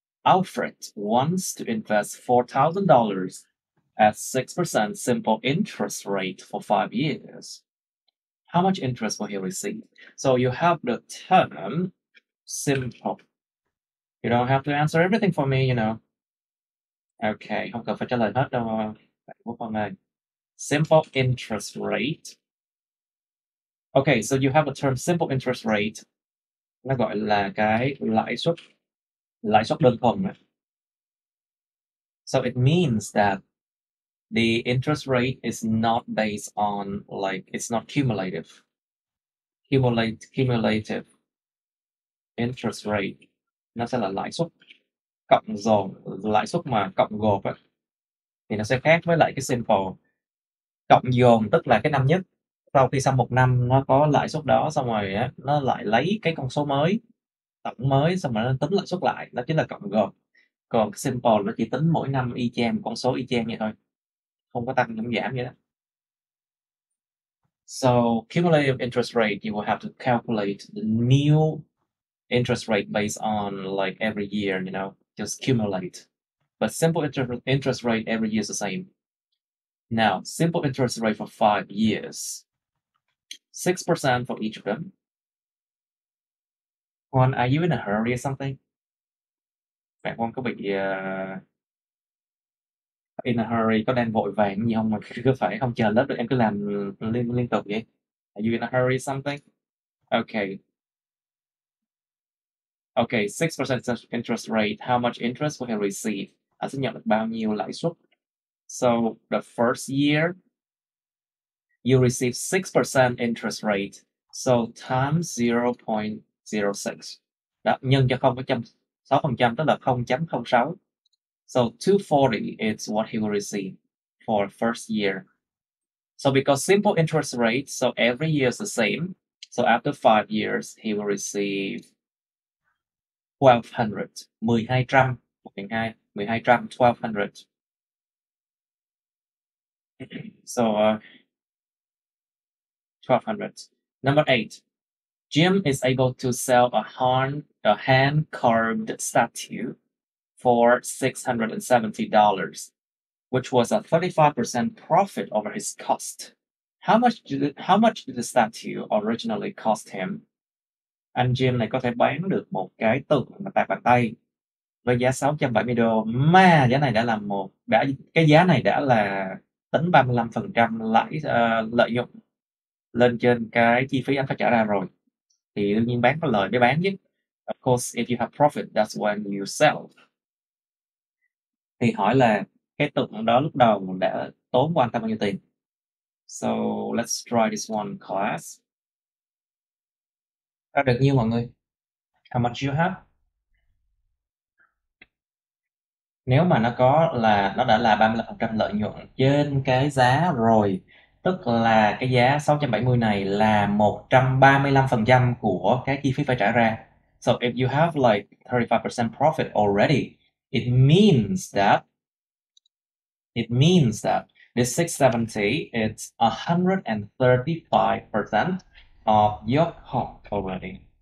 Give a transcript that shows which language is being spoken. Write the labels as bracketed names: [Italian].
[English] Alfred wants to invest $4,000 at 6% simple interest rate for 5 years. How much interest will he receive? So you have the term simple. You don't have to answer everything for me, you know. [Vietnamese] Okay, không cần phải trả lời hết đâu. Phải bố con ơi. [English] Simple interest rate. Okay, so you have a term simple interest rate. [Vietnamese] Nó gọi là cái lãi suất đơn thuần. [English] So it means that the interest rate is not based on, like, it's not cumulative. Cumulative interest rate. [Vietnamese] Nó sẽ là lãi suất cộng dồn, lãi suất mà cộng gộp ấy. Thì nó sẽ khác với lại cái simple. Cộng dồn tức là cái năm nhất. Sau khi xong một năm nó có lãi suất đó, xong rồi ấy, nó lại lấy cái con số mới, tổng mới, xong rồi nó tính lãi suất lại. Đó chính là cộng gộp. Còn cái simple nó chỉ tính mỗi năm y chang, con số y chang vậy thôi. Không có tăng, không giảm vậy đó. [English] So, cumulative interest rate, you will have to calculate the new interest rate based on like every year, you know, just cumulate. But simple interest rate every year is the same. Now, simple interest rate for 5 years, 6% for each of them. Juan, are you in a hurry or something? [Vietnamese] Bạn Juan có bị [English] in a hurry, [Vietnamese] có đang vội vàng gì không mà cứ phải không chờ lớp được, em cứ làm liên tục vậy? [English] Are you in a hurry or something? Okay. Okay, 6% interest rate. How much interest will he receive? [Vietnamese] Anh sẽ nhận được bao nhiêu lãi suất? [English] So, the first year, you receive 6% interest rate. So, times 0.06. [Vietnamese] Đó, nhân cho 0.6%, tức là 0.06. [English] So, 240 is what he will receive for first year. So, because simple interest rate, so every year is the same. So, after 5 years, he will receive 1200, 1200, 1200, 1200. So, 1200. Number 8, Jim is able to sell a hand carved statue for $670, which was a 35% profit over his cost. How much did the statue originally cost him? [Vietnamese] Anh Jim này có thể bán được một cái tượng tạc bàn tay với giá $670 mà giá này đã là một đã cái giá này đã là tính 35% lãi lợi nhuận lên trên cái chi phí anh phải trả ra rồi, thì đương nhiên bán có lời để bán chứ. [English] Of course, if you have profit, that's when you sell. [Vietnamese] Thì hỏi là cái tượng đó lúc đầu đã tốn của anh ta bao nhiêu tiền. [English] So let's try this one class. [Vietnamese] Ra được nhiêu mọi người? [English] How much you have? [Vietnamese] Nếu mà nó có là nó đã là 35% lợi nhuận trên cái giá rồi, tức là cái giá 670 này là 135% của cái chi phí phải trả ra. [English] So if you have like 35% profit already, it means that this 670 it's 135% of your cost already.